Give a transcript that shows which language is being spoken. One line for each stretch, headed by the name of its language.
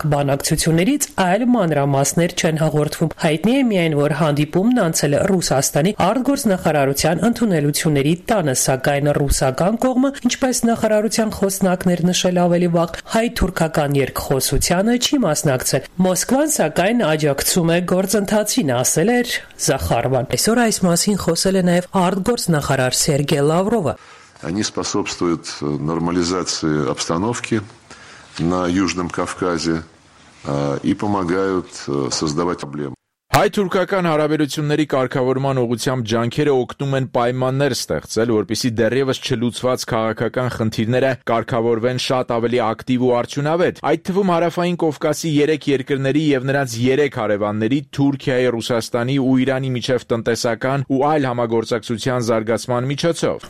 Armenian: Բանակցություններից այլ մանրամասներ չեն հաղորդվում։ Հայտնի է միայն, որ հանդիպումն անցել է Ռուսաստանի արտգործնախարարության ընդունելությունների տանը, սակայն ռուսական կողմը, ինչպես նախարարության խոսնակներ նշել ավելի վաղ, հայ-թուրքական երկխոսությանը չի մասնակցել։ Մոսկվան, սակայն, աջակցում է գործընթացին, ասել էր Զախարովան։ Այսօր այս մասին խոսել է նաև արտգործնախարար Սերգե Լավրովը։
Russian: Они способствуют нормализации обстановки на Южном Кавказе и помогают создавать проблемы.
Armenian: Հայ-թուրքական հարաբերությունների կարգավորման ուղղությամբ ջանքերը օգնում են պայմաններ ստեղծել, որպեսզի դեռևս չլուծված քաղաքական խնդիրները կարգավորվեն շատ ավելի ակտիվ ու արդյունավետ։ Այդ թվում Հարավային Կովկասի 3 երկրների եւ նրանց 3 հարևանների՝ Թուրքիայի, Ռուսաստանի ու Իրանի միջև տնտեսական ու այլ համագործակցության զարգացման միջոցով։